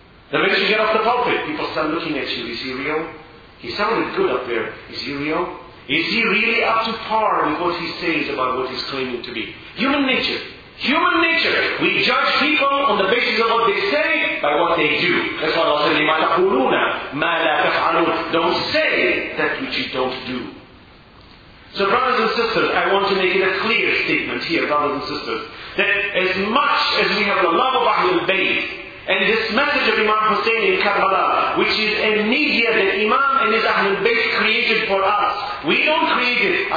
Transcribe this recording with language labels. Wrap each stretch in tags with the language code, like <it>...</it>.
<en>The minute you get off the pulpit, people start looking at you. Is he real? He sounded good up there. Is he real? Is he really up to par with what he says about what he's claiming to be? Human nature. Human nature. We judge people on the basis of what they say by what they do. That's what Allah said,</en> <ar>لِمَا تَقُولُونَ مَا لَا تَفْعَلُونَ.</ar> <en>Don't say that which you don't do. So brothers and sisters, I want to make it a clear statement here, brothers and sisters, that as much as we have the love of Ahlul Bayt, and this message of Imam Hussein in Karbala, which is a media that Imam and his Ahlul Bayt created for us, we don't create it.</en>